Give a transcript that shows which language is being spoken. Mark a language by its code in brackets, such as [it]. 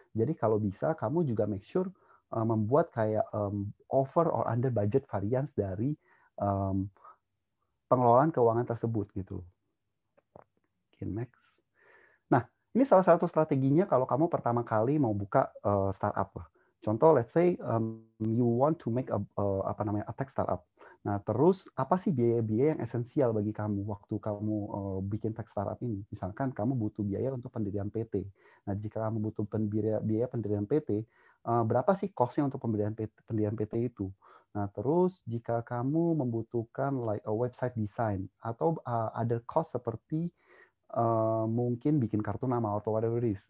[id] Jadi kalau bisa kamu juga [en] make sure [id] membuat kayak [en] over or under budget variance [id] dari pengelolaan keuangan tersebut gitu. [en] Okay, next. [id] Nah, ini salah satu strateginya kalau kamu pertama kali mau buka startup lah. [en] Contoh, let's say you want to make a tech startup. [id] Nah, terus apa sih biaya-biaya yang esensial bagi kamu waktu kamu bikin tech startup ini? Misalkan kamu butuh biaya untuk pendirian PT. Nah, jika kamu butuh biaya pendirian PT, berapa sih cost-nya untuk pendirian PT itu? Nah, terus jika kamu membutuhkan [en] like a website design [id] atau [en] other cost [id] seperti mungkin bikin kartu nama atau [en] whatever it is.